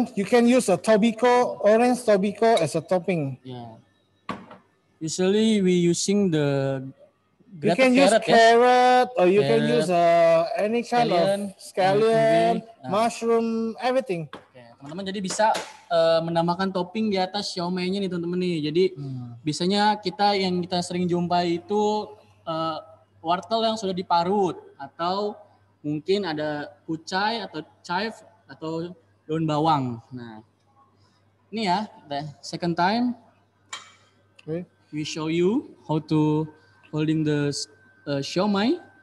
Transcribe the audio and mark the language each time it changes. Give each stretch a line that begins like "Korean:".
English: Then you can use a tobiko, orange tobiko as a topping. Yeah. Usually we using the grated carrot. You can use carrot or you can use any kind of scallion, mushroom, everything.
Indonesian: Okay, teman-teman jadi bisa menambahkan topping di atas siomaynya nih teman-teman nih. Jadi biasanya kita sering jumpai itu wortel yang sudah diparut atau mungkin ada kucai atau chive atau daun bawang. Nah, ini ya
English: the second time. Okay. We show you how to holding the siomay.